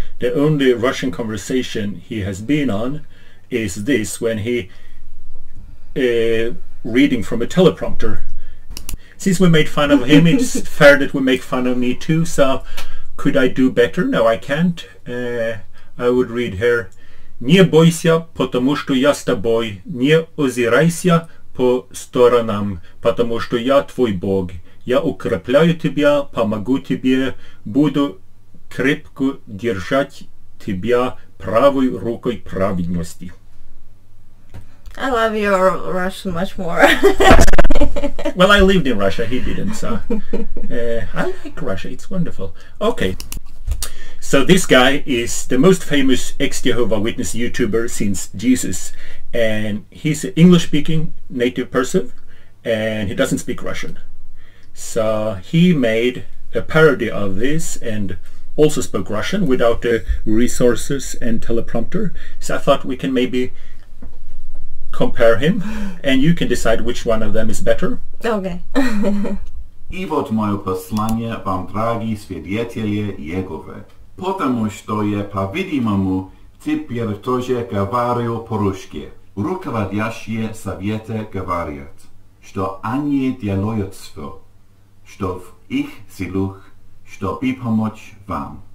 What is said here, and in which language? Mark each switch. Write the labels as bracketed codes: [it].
[en] The only Russian conversation he has been on is this, when he reading from a teleprompter. Since we made fun of him, it's fair that we make fun of me too, so... Could I do better? No, I can't. I would read here. [ru] Не бойся, потому что я с тобой. Не озирайся по сторонам, потому что я твой Бог. Я укрепляю тебя, помогу тебе, буду крепко держать тебя правой рукой праведности. [en] I love your Russian much more. Well, I lived in Russia, he didn't, so I like Russia, it's wonderful. Okay, so this guy is the most famous ex-Jehovah Witness YouTuber since Jesus, and he's an English-speaking native person, and he doesn't speak Russian. So he made a parody of this and also spoke Russian without the resources and teleprompter, so I thought we can maybe compare him, and you can decide which one of them is better. Okay. [ru] I вот моё послание вам, дорогие свидетели Иеговы, потому что я, по-видимому, теперь тоже говорю по-русски. Руководящие советы говорят, что они делают всё, что в их силах, чтобы помочь вам.